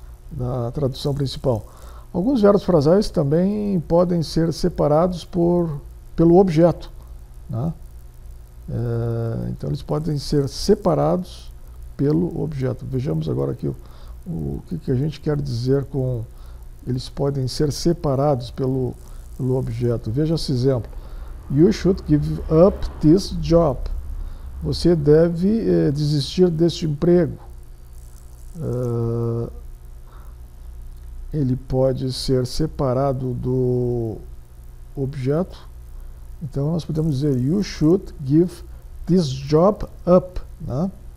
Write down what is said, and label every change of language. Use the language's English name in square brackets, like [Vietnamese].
[Portuguese] Da tradução principal. Alguns verbos frasais também podem ser separados pelo objeto, né? Então eles podem ser separados pelo objeto. Vejamos agora aqui o que a gente quer dizer com eles podem ser separados pelo objeto. Veja esse exemplo. [English] You should give up this job. [Portuguese] Você deve desistir deste emprego. Ele pode ser separado do objeto. Então nós podemos dizer [English] you should give this job up, [Portuguese] né?